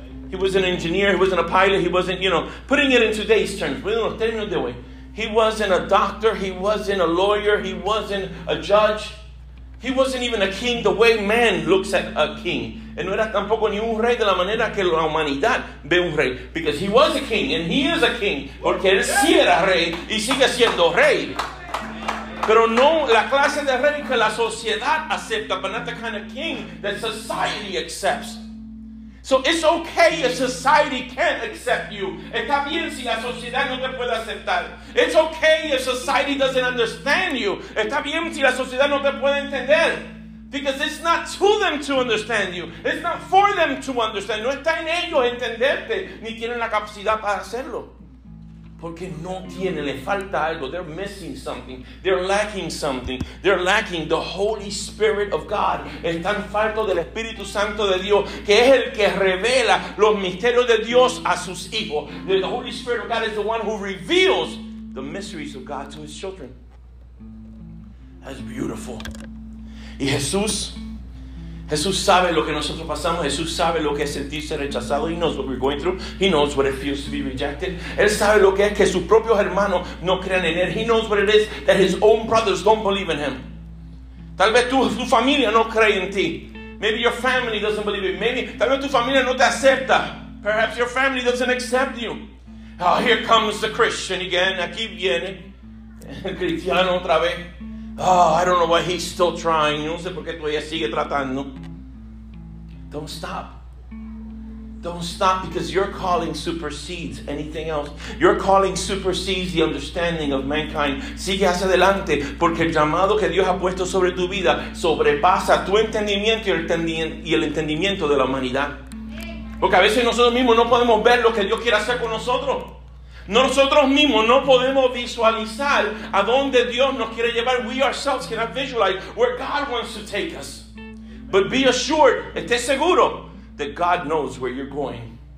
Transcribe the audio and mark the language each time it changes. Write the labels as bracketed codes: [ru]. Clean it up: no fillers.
[en] He was an engineer, he wasn't a pilot, he wasn't, you know, putting it in today's terms. [es] Bueno, los términos de hoy. [en] He wasn't a doctor, he wasn't a lawyer, he wasn't a judge. He wasn't even a king the way man looks at a king. [es] And no era tampoco ni un rey de la manera que la humanidad ve un rey. [en] Because he was a king, and he is a king. [es] Porque él sí era rey, y sigue siendo rey. Pero no la clase de rey que la sociedad acepta, [en] but not the kind of king that society accepts. So it's okay if society can't accept you. [es] Está bien si la sociedad no te puede aceptar. [en] It's okay if society doesn't understand you. [es] Está bien si la sociedad no te puede entender. [en] Because it's not to them to understand you. It's not for them to understand. [es] No está en ellos entenderte. Ni tienen la capacidad para hacerlo. Porque no tiene, le falta algo. [en] They're missing something. They're lacking something. They're lacking the Holy Spirit of God. [es] Están falto del Espíritu Santo de Dios, que es el que revela los misterios de Dios a sus hijos. [en] The Holy Spirit of God is the one who reveals the mysteries of God to his children. That's beautiful. [es] Y Jesús sabe lo que nosotros pasamos. Jesús sabe lo que es sentirse rechazado. [en] He knows what we're going through. He knows what it feels to be rejected. [es] Él sabe lo que es que sus propios hermanos no crean en él. [en] He knows what it is that his own brothers don't believe in him. [es] Tal vez tu familia no cree en ti. [en] Maybe your family doesn't believe in you. [es] Maybe tal vez tu familia no te acepta. [en] Perhaps your family doesn't accept you. Oh, here comes the Christian again. [es] Aquí viene el cristiano otra vez. [en] Oh, I don't know why he's still trying. [es] No sé por qué todavía sigue tratando. [en] Don't stop. Don't stop, because your calling supersedes anything else. Your calling supersedes the understanding of mankind. [es] Sigue hacia adelante, porque el llamado que Dios ha puesto sobre tu vida sobrepasa tu entendimiento y el entendimiento de la humanidad. Porque a veces nosotros mismos no podemos ver lo que Dios quiere hacer con nosotros. Nosotros mismos no podemos visualizar a dónde Dios nos quiere llevar. [en] We ourselves cannot visualize where God wants to take us. But be assured, [es] esté seguro, [en] that God knows where you're going.